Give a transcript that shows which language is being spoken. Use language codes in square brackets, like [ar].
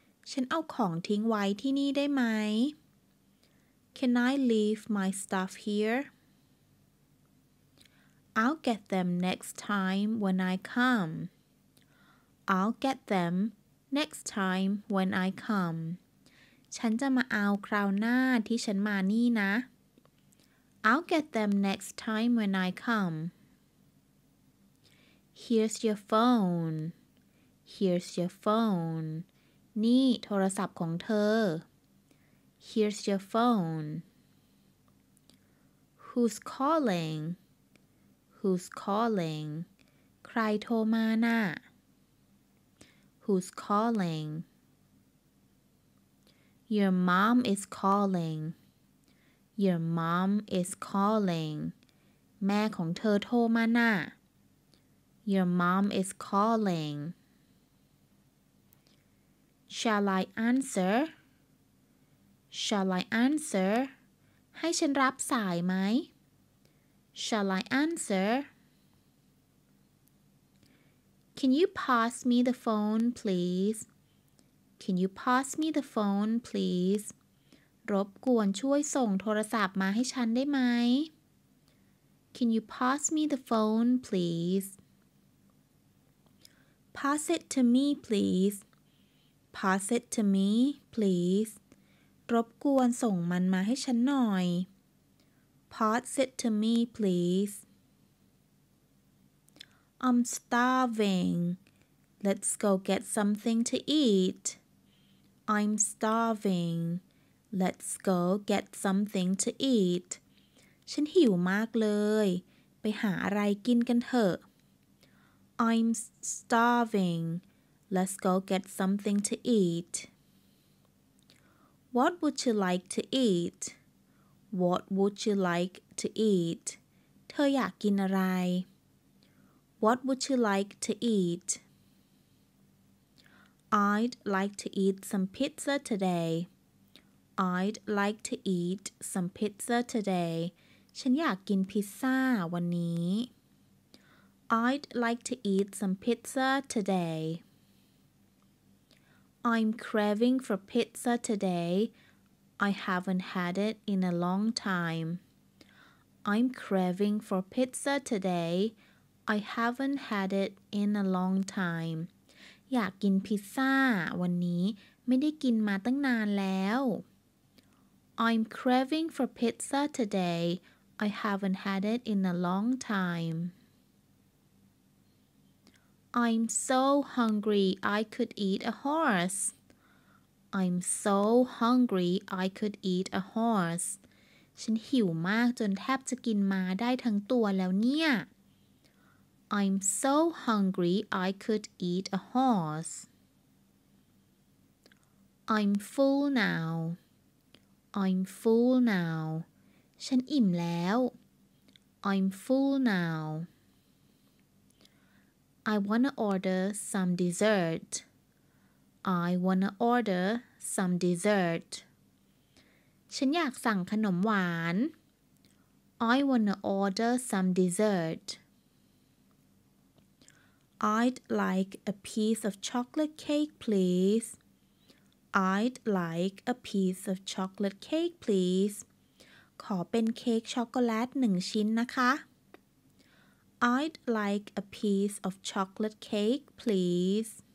[th] ฉันเอาของทิ้งไว้ที่นี่ได้ไหม [en] Can I leave my stuff here? I'll get them next time when I come. I'll get them next time when I come. [th] ฉันจะมาเอาคราวหน้าที่ฉันมานี่นะ [en] I'll get them next time when I come. Here's your phone. Here's your phone. [th] นี่โทรศัพท์ของเธอ [en] Here's your phone. Who's calling? Who's calling? [th] ใครโทรมาน่ะ [en] Who's calling? Your mom is calling. Your mom is calling. [th] แม่ของเธอโทรมาน่ะ [en] Your mom is calling. Shall I answer? Shall I answer? [th] ให้ฉันรับสายไหม [en] Shall I answer? Can you pass me the phone, please? Can you pass me the phone, please? [th] รบกวนช่วยส่งโทรศัพท์มาให้ฉันได้ไหม [en] Can you pass me the phone, please? Pass it to me, please. Pass it to me, please. [th] รบกวนส่งมันมาให้ฉันหน่อย [en] Pass it to me, please. I'm starving. Let's go get something to eat. I'm starving. Let's go get something to eat. [th] ฉันหิวมากเลยไปหาอะไรกินกันเถอะ [en] I'm starving. Let's go get something to eat. What would you like to eat? What would you like to eat? [th] เธออยากกินอะไร [en] What would you like to eat? I'd like to eat some pizza today. I'd like to eat some pizza today. [th] ฉันอยากกินพิซซ่าวันนี้ [en] I'd like to eat some pizza today. I'm craving for pizza today. I haven't had it in a long time. I'm craving for pizza today. I haven't had it in a long time. [th] อยากกินพิซซ่าวันนี้ไม่ได้กินมาตั้งนานแล้ว [en] I'm craving for pizza today. I haven't had it in a long time. I'm so hungry I could eat a horse. I'm so hungry I could eat a horse. [th] ฉันหิวมากจนแทบจะกินม้าได้ทั้งตัวแล้วเนี่ย [en] I'm so hungry I could eat a horse. I'm full now. I'm full now. [th] ฉันอิ่มแล้ว [en] I'm full now. I wanna order some dessert. I wanna order some dessert. [th] ฉันอยากสั่งขนมหวาน [en] I wanna order some dessert. I'd like a piece of chocolate cake, please. I'd like a piece of chocolate cake, please. [th] ขอเป็นเค้กช็อกโกแลตหนึ่งชิ้นนะคะ [en] I'd like a piece of chocolate cake, please.